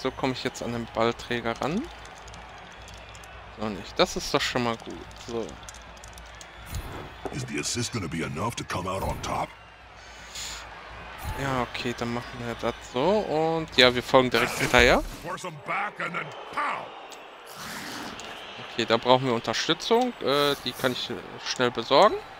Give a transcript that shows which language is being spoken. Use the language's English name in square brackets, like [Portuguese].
[German] So komme ich jetzt an den Ballträger ran. So nicht. Das ist doch schon mal gut. So. [English] Is the assist gonna be enough to come out on top? [German] Ja, okay, dann machen wir das so und ja, wir folgen direkt hinterher. Okay, da brauchen wir Unterstützung. Die kann ich schnell besorgen.